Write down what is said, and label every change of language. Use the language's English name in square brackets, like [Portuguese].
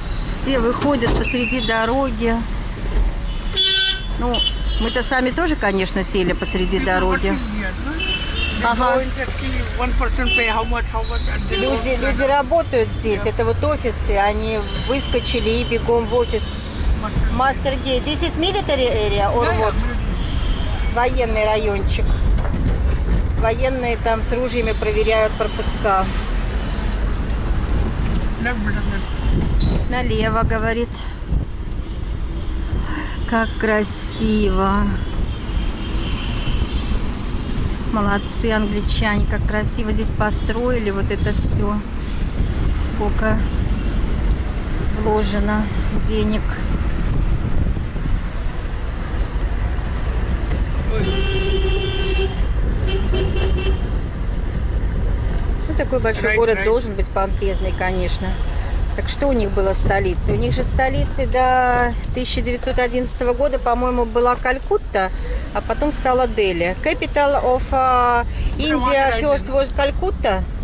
[Russian] Все выходят посреди дороги. Ну, мы-то сами тоже, конечно, сели посреди дороги. Ага. Люди работают здесь. Это вот офисы. Они выскочили и бегом в офис. Мастер Гей. [English] This is military area or what? [Russian] Военный райончик. Военные там с ружьями проверяют пропуска. Налево, говорит. Как красиво. Молодцы англичане, как красиво здесь построили вот это все. Сколько вложено денег. Ну, такой большой город должен быть помпезный, конечно. Так что у них было столицей? У них же столицей до 1911 года, по-моему, была Калькутта, а потом стала Дели. [English] Capital of India first was Calcutta.